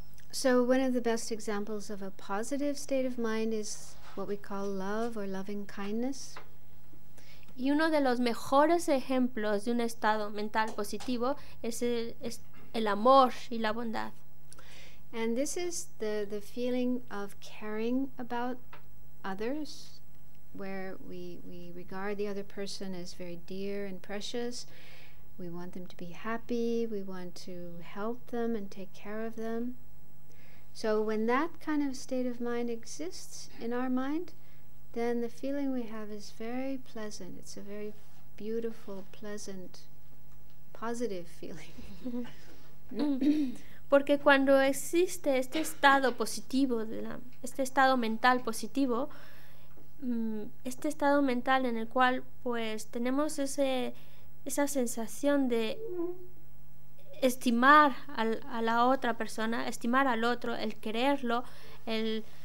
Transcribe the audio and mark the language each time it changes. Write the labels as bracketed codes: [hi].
[en] So one of the best examples of a positive state of mind is what we call love or loving kindness. [es] Y uno de los mejores ejemplos de un estado mental positivo es el amor y la bondad. [en] And this is the feeling of caring about others, where we regard the other person as very dear and precious. We want them to be happy. We want to help them and take care of them. So when that kind of state of mind exists in our mind, then the feeling we have is very pleasant. It's a very beautiful, pleasant, positive feeling. [es] Porque cuando existe este estado positivo, este estado mental positivo, este estado mental en el cual pues tenemos esa sensación de estimar a la otra persona, estimar al otro, el quererlo, el